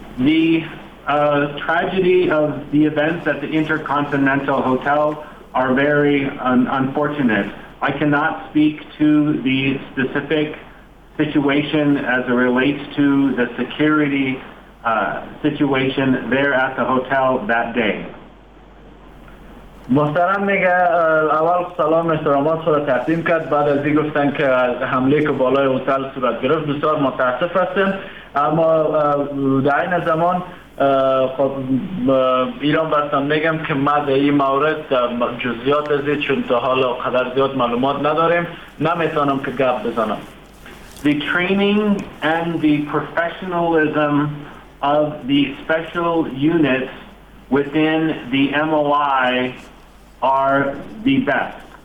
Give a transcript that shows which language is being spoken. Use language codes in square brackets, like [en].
[en] The tragedy of the events at the Intercontinental Hotel are very unfortunate. I cannot speak to the specific situation as it relates to the security situation there at the hotel that day. [fa] محترم میگه اول سلام احترامات رو تقدیم کرد بعد از این گفتن که حمله که بالای هتل صورت گرفت بسیار متاسف هستم اما در این زمان خب ایران برسم میگم که ما در این مورد جزئیات ازید چون تا حالا قدر زیاد معلومات نداریم نمیتونم که گپ بزنم [en] The training and the professionalism of the special units within the MOI are the best.